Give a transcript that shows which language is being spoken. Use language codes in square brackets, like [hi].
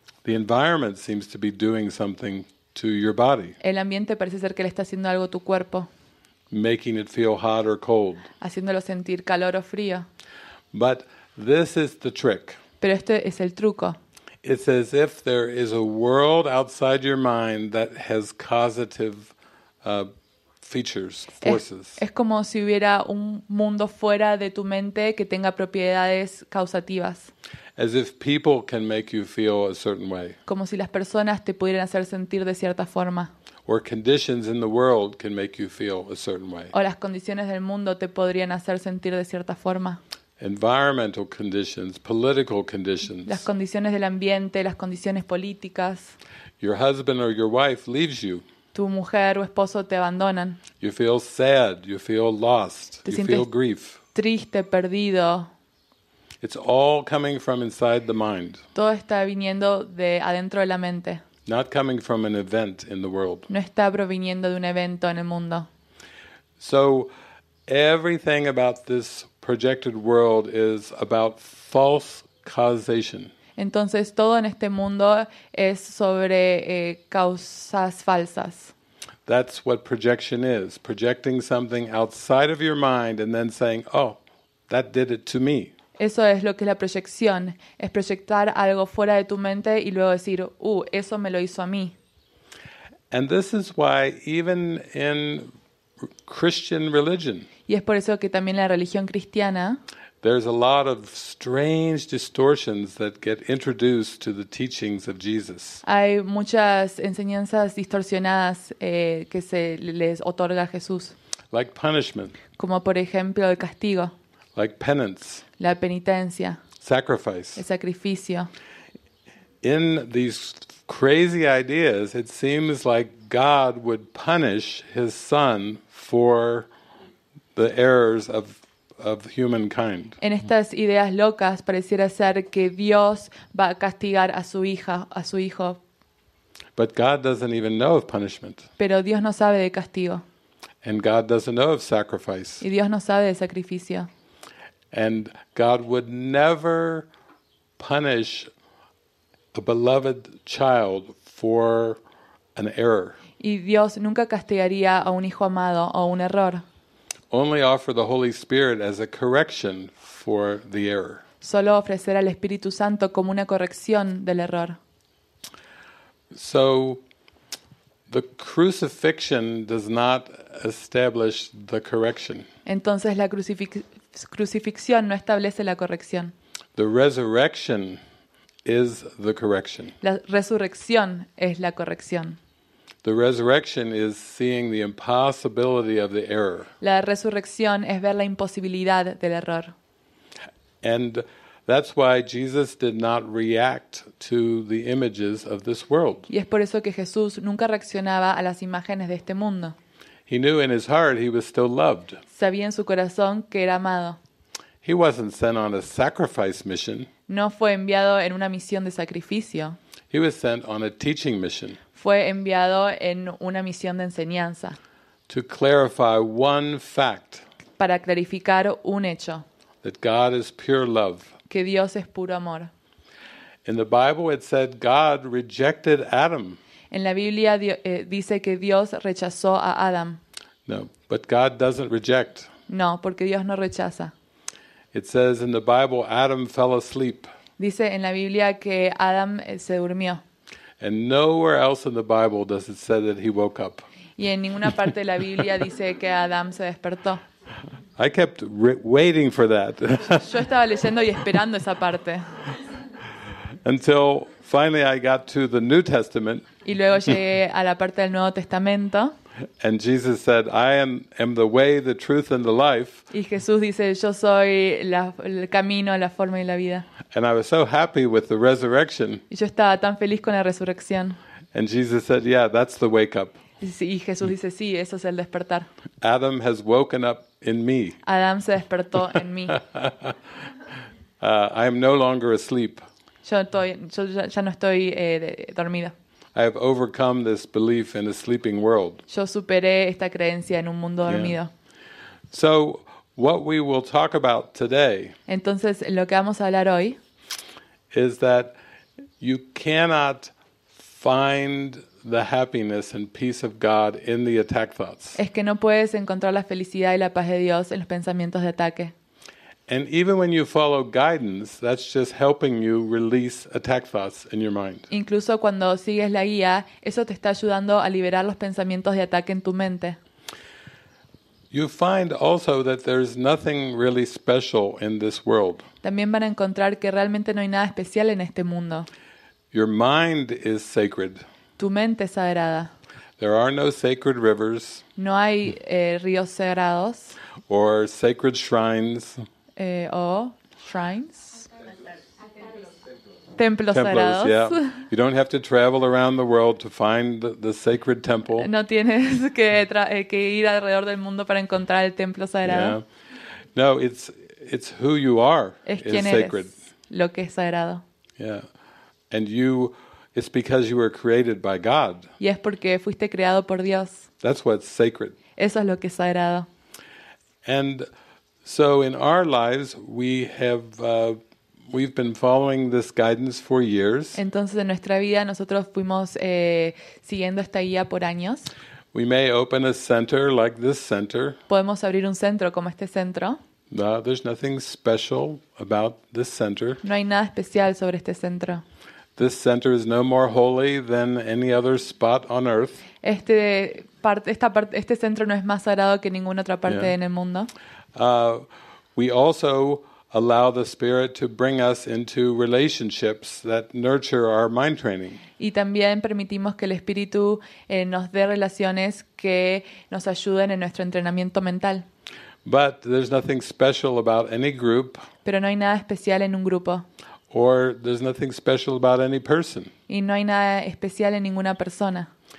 [en] The environment seems to be doing something to your body. [es] El ambiente parece ser que le está haciendo algo a tu cuerpo. [en] Making it feel hot or cold. [es] Haciéndolo sentir calor o frío. [en] But this is the trick. [es] Pero este es el truco. [en] It's as if there is a world outside your mind that has causative features, forces. [es] Es como si hubiera un mundo fuera de tu mente que tenga propiedades causativas. [en] As if people can make you feel a certain way. [es] Como si las personas te pudieran hacer sentir de cierta forma. [en] Or conditions in the world can make you feel a certain way. [es] O las condiciones del mundo te podrían hacer sentir de cierta forma. [en] Environmental conditions, political conditions. [es] Las condiciones del ambiente, las condiciones políticas. [en] Your husband or your wife leaves you. [es] Tu mujer o esposo te abandonan. [en] You feel sad, you feel lost, you feel grief. [es] Triste, perdido. [en] It's all coming from inside the mind. [es] Todo está viniendo de adentro de la mente. [en] Not coming from an event in the world. [es] No está proviniendo de un evento en el mundo. [en] So everything about this projected world is about false causation. [es] Entonces todo en este mundo es sobre causas falsas. [en] That's what projection is. Projecting something outside of your mind and then saying, "Oh, that did it to me." [es] Eso es lo que es la proyección, es proyectar algo fuera de tu mente y luego decir, eso me lo hizo a mí." [en] And this is why even in Christian religion. [es] Y es por eso que también la religión cristiana. [en] there's a lot of strange distortions that get introduced to the teachings of Jesus. [es] Hay muchas enseñanzas distorsionadas que se les otorga a Jesús. [en] Like punishment. [es] Como por ejemplo el castigo. [en] Like penance. [es] La penitencia. [en] Sacrifice. [es] El sacrificio. [en] In these crazy ideas, it seems like God would punish his son for the errors of humankind. [es] En estas ideas locas pareciera ser que Dios va a castigar a su hija, a su hijo. [en] But God doesn't even know of punishment. [es] Pero Dios no sabe de castigo. [en] And God doesn't know of sacrifice. [es] Y Dios no sabe de sacrificio. [en] And God would never punish a beloved child for an error. [es] Y Dios nunca castigaría a un hijo amado o un error. [en] Only offer the Holy Spirit as a correction for the error. [es] Solo ofrecer al Espíritu Santo como una corrección del error. [en] So the crucifixion does not establish the correction. [es] Entonces la crucifixión no establece la corrección. [en] The resurrection is the correction. [es] La resurrección es la corrección. [en] The resurrection is seeing the impossibility of the error. [es] La resurrección es ver la imposibilidad del error. [en] And that's why Jesus did not react to the images of this world. [es] Y es por eso que Jesús nunca reaccionaba a las imágenes de este mundo. [en] He knew in his heart he was still loved. [es] Sabía en su corazón que era amado. [en] He wasn't sent on a sacrifice mission. [es] No fue enviado en una misión de sacrificio. [en] He was sent on a teaching mission. [es] Fue enviado en una misión de enseñanza. [en] To clarify one fact. [es] Para clarificar un hecho. [en] That God is pure love. [es] Que Dios es puro amor. [en] In the Bible it said God rejected Adam. [es] En la Biblia dice que Dios rechazó a Adam. [en] No, but God doesn't reject. [es] No, porque Dios no rechaza. [en] It says in the Bible Adam fell asleep. [es] Dice en la Biblia que Adam se durmió. [en] And nowhere else in the Bible does it say that he woke up. [es] Y en ninguna parte de la Biblia dice que Adam se despertó. [en] I kept waiting for that. [es] Yo estaba leyendo y esperando esa parte. [en] Until finally I got to the New Testament. [es] Y luego llegué a la parte del Nuevo Testamento. [en] And Jesus said, "I am the way, the truth, and the life." [es] Y Jesús dice, "Yo soy el camino, la forma y la vida." [en] And I was so happy with the resurrection. [es] Y yo estaba tan feliz con la resurrección. [en] And Jesus said, "Yeah, that's the wake up." [es] Y Jesús dice, "Sí, eso es el despertar." [en] Adam has woken up in me. [es] Adam se despertó en mí. [en] I am no longer asleep. [es] Yo ya no estoy dormida. [en] I have overcome this belief in a sleeping world. [es] Yo superé esta creencia en un mundo dormido. [en] Yeah. So, what we will talk about today. [es] Entonces, lo que vamos a hablar hoy [en] is that you cannot find the happiness and peace of God in the attack thoughts. [es] Es que no puedes encontrar la felicidad y la paz de Dios en los pensamientos de ataque. [en] And even when you follow guidance, that's just helping you release attack thoughts in your mind. [es] Incluso cuando sigues la guía, eso te está ayudando a liberar los pensamientos de ataque en tu mente. [en] You find also that there's nothing really special in this world. [es] También van a encontrar que realmente no hay nada especial en este mundo. [en] Your mind is sacred. [es] Tu mente es sagrada. [en] There are no sacred rivers. [es] No hay ríos sagrados. [en] Or sacred shrines. [es] Shrines, templos sagrados. [en] Yeah. You don't have to travel around the world to find the sacred temple. [es] No tienes que ir alrededor del mundo para encontrar el templo sagrado. [en] Yeah. No, it's who you are. [es] Es quién eres. [en] Sacred. [es] Lo que es sagrado. [en] Yeah, and you. It's because you were created by God. [es] Y es porque fuiste creado por Dios. [en] That's what's sacred. [es] Eso es lo que es sagrado. [en] And so in our lives we've been following this guidance for years. [es] Entonces en nuestra vida nosotros fuimos siguiendo esta guía por años. [en] We may open a center like this center. [es] Podemos abrir un centro como este centro. [en] No, there's nothing special about this center. [es] No hay nada especial sobre este centro. [en] This center is no more holy than any other spot on earth. [es] Este centro no es más sagrado que ninguna otra parte en el mundo. [en] We also allow the spirit to bring us into relationships that nurture our mind training. [es] Y también permitimos que el espíritu nos dé relaciones que nos ayuden en nuestro entrenamiento mental. [en] But there's nothing special about any group. [es] Pero no hay nada especial en un grupo. [en] Or there's nothing special about any person. [es] Y no hay nada especial en ninguna persona.